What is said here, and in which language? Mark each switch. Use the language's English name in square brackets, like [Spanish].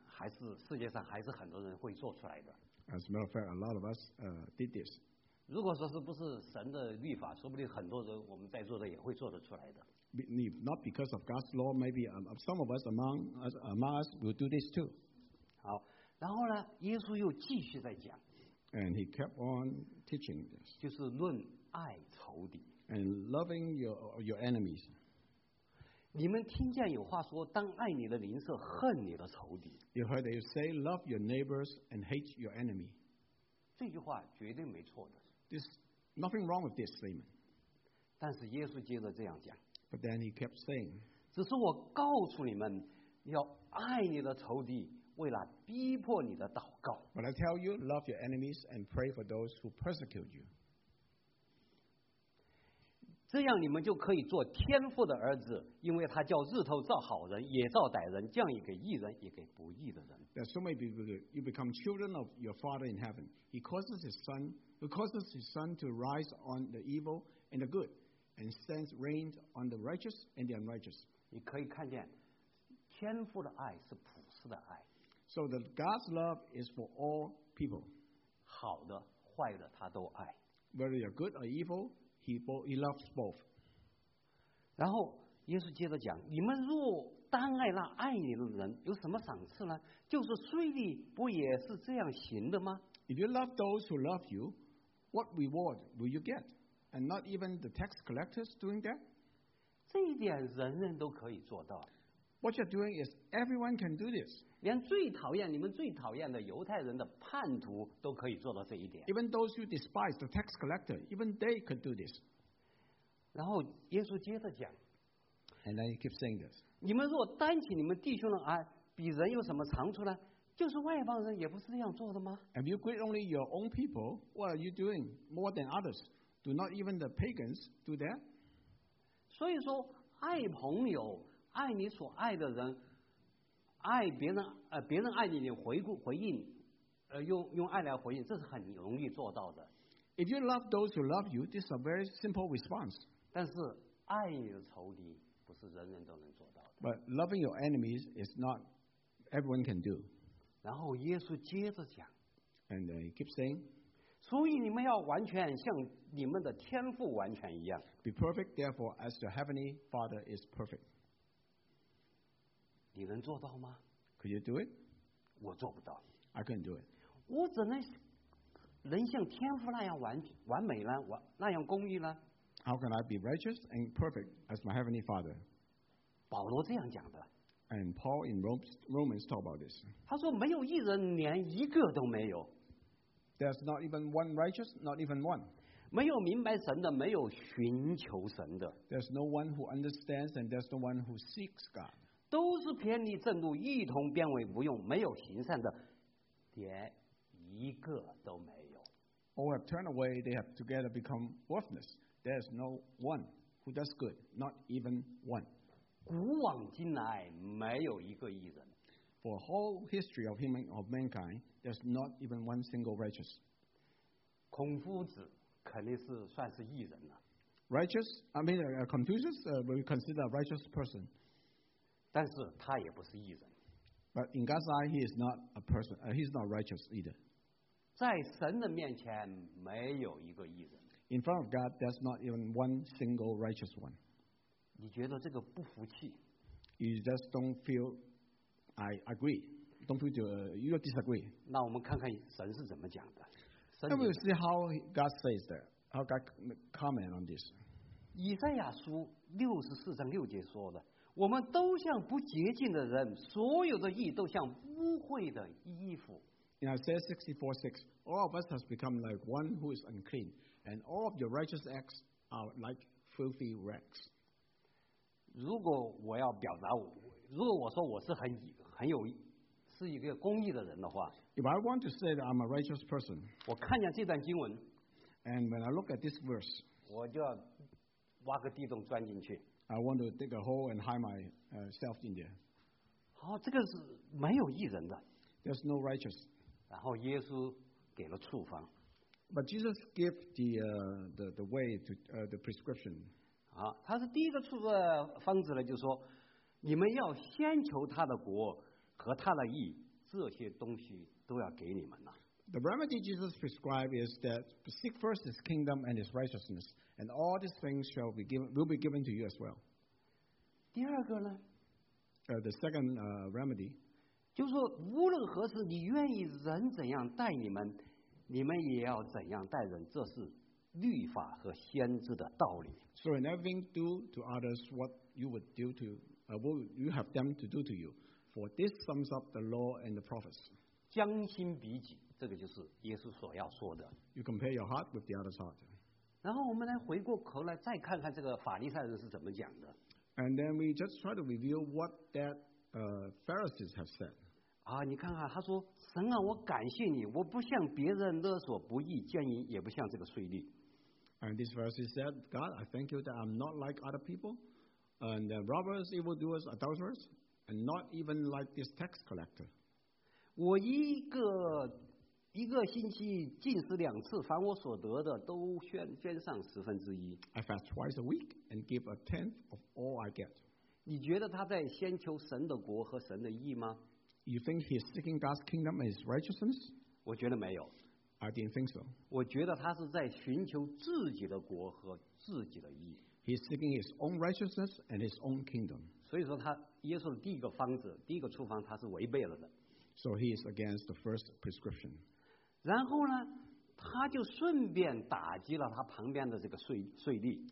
[Chinese] 还是世界上还是很多人会做出来的。 [English] As a matter of fact, a lot of us did this. [Chinese] 如果说是不是神的律法，说不定很多人我们在座的也会做得出来的。 [English] If not because of God's law, maybe some of us among us will do this too. [Chinese] 好，然后呢，耶稣又继续在讲。 [English] And he kept on teaching this. [Chinese] 就是论爱仇敌。 [English] And loving your enemies. [Chinese] 你们听见有话说，当爱你的邻舍，恨你的仇敌。 [English] You heard they say, love your neighbors and hate your enemy. [Chinese] 这句话绝对没错的。 [English] There's nothing wrong with this statement. [Chinese] 但是耶稣接着这样讲。 [English] But then he kept saying, [Chinese] 只是我告诉你们，要爱你的仇敌。为了逼迫你的祷告。 [English] But I tell you, love your enemies and pray for those who persecute you. [Chinese] 这样你们就可以做天父的儿子，因为他叫日头照好人，也照歹人，降雨给义人，也给不义的人。 [English] That so may be you become children of your Father in heaven. He causes his sun to rise on the evil and the good, and sends rain on the righteous and the unrighteous. [Chinese] 你可以看见，天父的爱是普世的爱。 [English] So the God's love is for all people. [Chinese] 好的坏的他都爱。 [English] Whether you're good or evil, he loves both. [Chinese] 然后耶稣接着讲，你们若单爱那爱你的人，有什么赏赐呢？就是税吏不也是这样行的吗？ [English] If you love those who love you, what reward will you get? And not even the tax collectors doing that? [Chinese] 这一点人人都可以做到。 [English] What you're doing is everyone can do this. [Chinese] 连最讨厌你们最讨厌的犹太人的叛徒都可以做到这一点。 [English] Even those who despise the tax collector, even they could do this. [Chinese] 然后耶稣接着讲。 [English] And then he keeps saying this. [Chinese] 你们若担起你们弟兄的啊，比人有什么长处呢？就是外邦人也不是这样做的吗？ [English] If you greet only your own people, what are you doing more than others? Do not even the pagans do that? [Chinese] 所以说爱朋友。爱你所爱的人，爱别人，别人爱你，你回应，用爱来回应，这是很容易做到的。 [English] If you love those who love you, this is a very simple response. [Chinese] 但是爱你的仇敌不是人人都能做到的。 [English] But loving your enemies is not everyone can do. [Chinese] 然后耶稣接着讲。 [English] And then he keeps saying. [Chinese] 所以你们要完全像你们的天父完全一样。 [English] Be perfect, therefore, as your heavenly Father is perfect. [Chinese] 你能做到吗？ [English] Could you do it? [Chinese] 我做不到。 [English] I couldn't do it. [Chinese] 我怎能像天父那样完美呢？那样公义呢？ [English] How can I be righteous and perfect as my heavenly Father? [Chinese] 保罗这样讲的。 [English] And Paul in Romans talk about this. [Chinese] 他说没有一人连一个都没有。 [English] There's not even one righteous, not even one. [Chinese] 没有明白神的，没有寻求神的。 [English] There's no one who understands and there's no one who seeks God. [Chinese] 都是偏离正路，一同变为无用，没有行善的，连一个都没有。 [English] All have turned away; they have together become worthless. There is no one who does good, not even one. [Chinese] 古往今来，没有一个义人。 [English] For whole history of human of mankind, there's not even one single righteous. [Chinese] 孔夫子肯定是算是义人了。 [English] Righteous? I mean, Confucius will consider a righteous person. [Chinese] 但是他也不是义人。 [English] But in God's eye, he is not a person. He is not righteous either. [Chinese] 在神的面前没有一个义人。 [English] In front of God, there's not even one single righteous one. [Chinese] 你觉得这个不服气？ [English] You just don't feel I agree. Don't feel you don't disagree. [Chinese] 那我们看看神是怎么讲的。 [English] Let me see how God says that. How God comment on this. [Chinese] 以赛亚书六十四章六节说的。我们都像不洁净的人，所有的义都像污秽的衣服。 [English] In Isaiah 64:6, all of us has become like one who is unclean, and all of your righteous acts are like filthy rags. [Chinese] 如果我要表达，如果我说我是很有，是一个公义的人的话 [English] ，If I want to say that I'm a righteous person, [Chinese] 我看见这段经文 [English] ，And when I look at this verse, [Chinese] 我就要挖个地洞钻进去。 [English] I want to dig a hole and hide myself in there. [Chinese] 好，这个是没有义人的。 [English] There's no righteous. [Chinese] 然后耶稣给了处方。 [English] But Jesus gave the way to the prescription. [Chinese] 好，他是第一个处方子呢，就说你们要先求他的国和他的义，这些东西都要给你们了。 [English] The remedy Jesus prescribed is that seek first his kingdom and his righteousness. And all these things shall be given, will be given to you as well. [Chinese] 第二个呢？ [English] The second remedy. [Chinese] 就是说无论何时你愿意人怎样待你们，你们也要怎样待人，这是律法和先知的道理。 [English] So in everything do to others what you would do to what you have them to do to you, for this sums up the law and the prophets. [Chinese] 将心比己，这个就是耶稣所要说的。 [English] You compare your heart with the other's heart. [Chinese] 然后我们来回过头来再看看这个法利赛人是怎么讲的。 [English] And then we just try to review what that Pharisees have said. [Chinese] 啊，你看看，他说：“神啊，我感谢你，我不向别人勒索不义，奸淫，也不向这个税吏。” [English] And this verse is said, God, I thank you that I'm not like other people, and the robbers, evildoers, adulterers, and not even like this tax collector. [Chinese] 我一个星期禁食两次，凡我所得的都捐上十分之一。 [English] I fast twice a week and give a tenth of all I get. [Chinese] 你觉得他在先求神的国和神的义吗？ [English] You think he's seeking God's kingdom and his righteousness? [Chinese] 我觉得没有。 [English] I didn't think so. [Chinese] 我觉得他是在寻求自己的国和自己的义。 [English] He's seeking his own righteousness and his own kingdom. [Chinese] 所以说他耶稣的第一个方子，第一个处方，他是违背了的。 [English] So he is against the first prescription. [Chinese] 然后呢，他就顺便打击了他旁边的这个税吏。